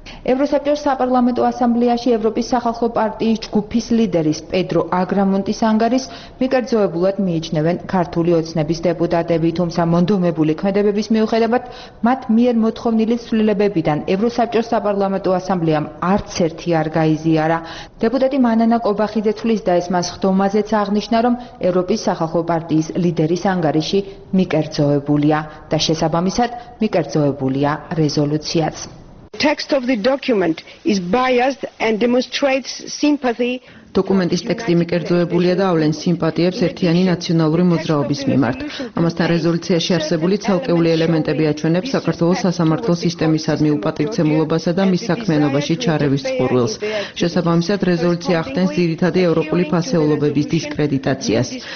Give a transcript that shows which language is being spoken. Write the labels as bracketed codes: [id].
[ka] ევროსაბჭოს საპარლამენტო ასამბლეაში ევროპის სახალხო პარტიის ჯგუფის ლიდერის პედრო აგრამუნტის ანგარის მიკერძოებულად მიიჩნევენ ქართული ოცნების დეპუტატები, თუმცა მონდომებული ქმედებების მიუხედავად მათ მიერ მოთხოვნილი ცვლილებებიდან ევროსაბჭოს საპარლამენტო ასამბლეამ არც ერთი არ გაიზიარა. დეპუტატი მანანა კობახიძე თვლის და ეს მას ხდომაზეც აღნიშნა, რომ ევროპის სახალხო პარტიის ლიდერის ანგარიში მიკერძოებულია და შესაბამისად მიკერძოებულია რეზოლუციაც. [en] Text of the document is biased and demonstrates sympathy. [ka] დოკუმენტის ტექსტი მიკერძოებულია და ავლენს სიმპათიებს ერთიანი ნაციონალური მოძრაობის მიმართ. ამასთან რეზოლუციაში არსებული ცალკეული ელემენტები აჩვენებს საქართველოს სასამართლო სისტემისადმი უპატივცემულობასა და მის საქმიანობაში ჩარევის ცხურვილს. შესაბამისად, რეზოლუცია ახდენს ძირითადი ევროპული ფასეულობების დისკრედიტაციას.